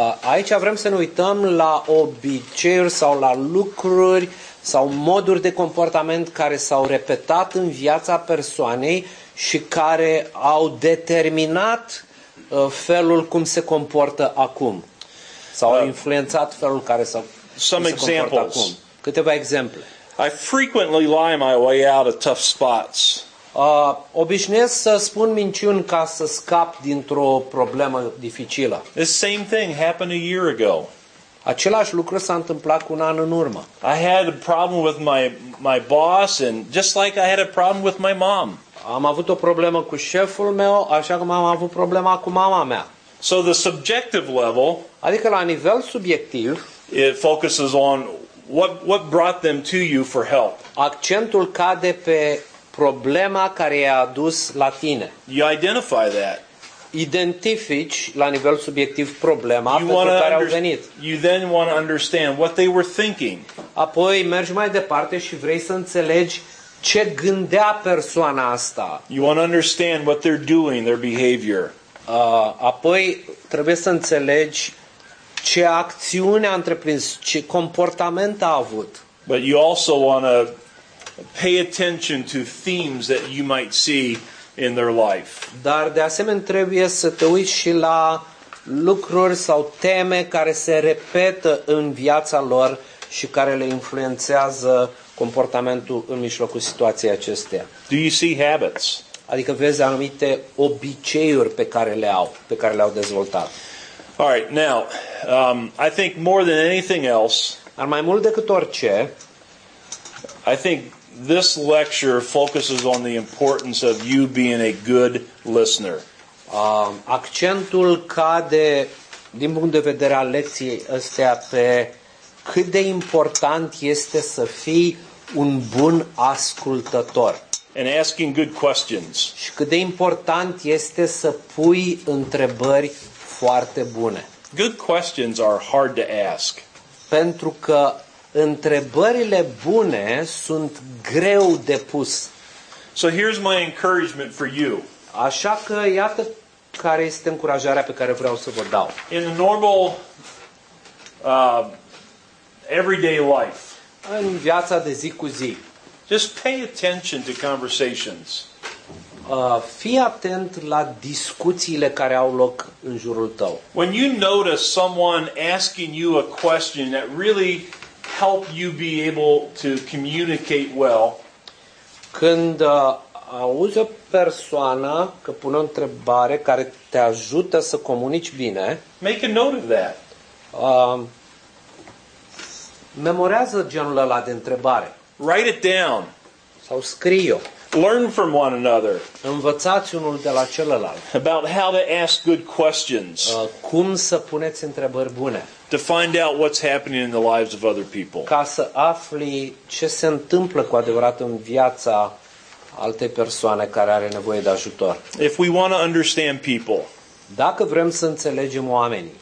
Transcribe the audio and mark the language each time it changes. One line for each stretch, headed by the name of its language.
Romanian: Aici vrem să ne uităm la obiceiuri sau la lucruri sau moduri de comportament care s-au repetat în viața persoanei și care au determinat felul cum se comportă acum. Sau au influențat felul care s-au comportat acum. Câteva exemple.
English: I frequently lie my way out of tough spots.
Romanian: Obișnuiesc să spun minciuni ca să scap dintr-o problemă dificilă.
English: The same thing happened a year ago.
Romanian: Același lucru s-a întâmplat cu un an în urmă.
English: I had a problem with my boss and just like I had a problem with my mom.
Romanian: Am avut o problemă cu șeful meu, așa cum am avut problema cu mama mea.
English: So the subjective level,
Romanian: adică la nivel subiectiv,
English: it focuses on what brought them to you for help.
Romanian: Accentul cade pe problema care i-a adus la tine.
English: You identify that.
Romanian: Identifici la nivel subiectiv problema pentru care au venit.
English: You then want to understand what they were thinking.
Romanian: Apoi mergi mai departe și vrei să înțelegi ce gândea persoana asta.
English: You want to understand what they're doing, their behavior.
Romanian: Apoi trebuie să înțelegi ce acțiune a întreprins, ce comportament a avut.
English: But you also want to pay attention to themes that you might see in their life.
Romanian: Dar de asemenea trebuie să te uiți și la lucruri sau teme care se repetă în viața lor și care le influențează comportamentul în mijlocul situației acesteia.
English: Do you see habits?
Romanian: Adică vezi anumite obiceiuri pe care le au, pe care le-au dezvoltat.
English: All right, now, I think more than anything else,
Romanian: dar mai mult decât orice,
English: I think this lecture focuses on the importance of you being a good listener.
Romanian: Accentul cade din punct de vedere al lecției astea pe cât de important este să fii un bun ascultător.
English: And asking good questions.
Romanian: Și cât de important este să pui întrebări foarte bune.
English: Good questions are hard to ask.
Romanian: Pentru că întrebările bune sunt greu de pus.
English: So here's my encouragement for you.
Romanian: Așa că iată care este încurajarea pe care vreau să vă dau.
English: In a normal everyday life.
Romanian: În viața de zi cu zi.
English: Just pay attention to conversations.
Romanian: Fii atent la discuțiile care au loc în jurul tău.
English: When you notice someone asking you a question that really help you be able to communicate well.
Romanian: Când auzi o persoană că pune o întrebare care te ajută să comunici bine,
English: make a note of that.
Romanian: Memorează genul ăla de întrebare.
English: Write it down.
Romanian: Sau scrie-o.
English: Learn from one another.
Romanian: Învățați unul de la celălalt.
English: About how to ask good questions.
Romanian: Cum să puneți întrebări bune.
English: To find out what's happening in the lives of other people.
Romanian: Ca să afli ce se întâmplă cu adevărat în viața alte persoane care are nevoie de ajutor.
English: If we want to understand people.
Romanian: Dacă vrem să înțelegem oamenii.